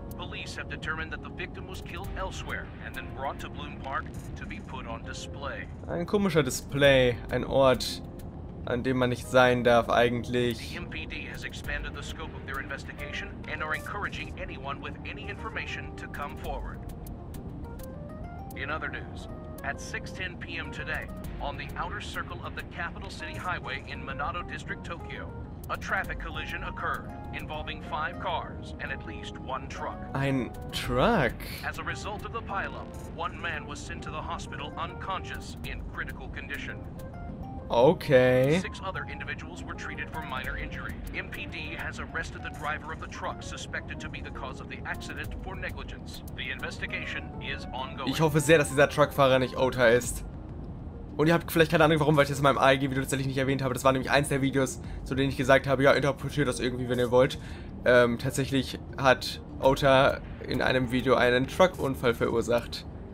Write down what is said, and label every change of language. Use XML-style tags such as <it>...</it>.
<en>Police have determined that the victim was killed elsewhere and then brought to Bloom Park to be put on display.</en> <de>Ein komischer Display, ein Ort, an dem man nicht sein darf eigentlich.</de> <en>The MPD has expanded the scope of their investigation and are encouraging anyone with any information to come forward. In other news, at 6:10 p.m. today, on the outer circle of the Capital City Highway in Minato District, Tokyo, a traffic collision occurred involving 5 cars and at least 1 truck.</en> <de>Ein Truck?</de> <en>As a result of the pileup, one man was sent to the hospital unconscious in critical condition. Okay. 6 other individuals were treated for minor injury. MPD has arrested the driver of the truck suspected to be the cause of the accident for negligence. The investigation is ongoing.</en> <de>Ich hoffe sehr, dass dieser Truckfahrer nicht OTA ist. Und ihr habt vielleicht keine Ahnung, warum, weil ich das in meinem ALG-Video tatsächlich nicht erwähnt habe. Das war nämlich eins der Videos, zu denen ich gesagt habe, ja, interpretiert das irgendwie, wenn ihr wollt. Tatsächlich hat OTA in einem Video einen Truckunfall verursacht.</de>